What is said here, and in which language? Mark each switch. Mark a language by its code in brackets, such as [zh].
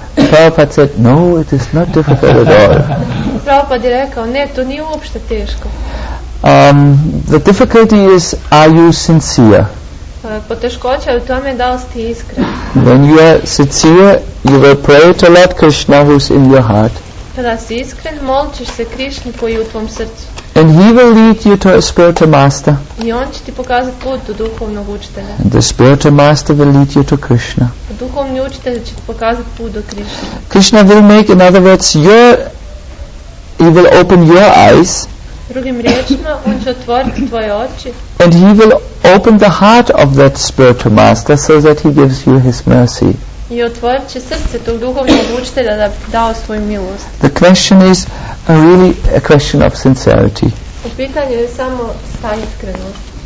[en] Prabhupada said, no, it is not difficult at all. [bs] Prabhupada je rekao, ne, to nije uopšte teško. [en] The difficulty is, are you sincere? [bs] Poteškoća je u tome da li ste iskren. [en] When you are sincere, you will pray to Lord Krishna who is in your heart. [bs] Kada si iskren, molčiš se Krišni koji je u tvom srcu. [en] And he will lead you to a spiritual master. [bs] I on će ti pokazati put do duhovnog učitelja. [en] And the spiritual master will lead you to Krishna. [bs] Duhovni učitelj će ti pokazati put do Krishna. [en] Krishna will make, in other words, he will open your eyes. [bs] Drugim riječima, on će otvoriti tvoje oči. [en] And he will open the heart of that spiritual master so that he gives you his mercy. [bs] I otvorit će srce tog duhovnog učitelja da bi dao svoju milost. [en] The question is really a question of sincerity. [bs] U pitanju je samo sta iskrenost.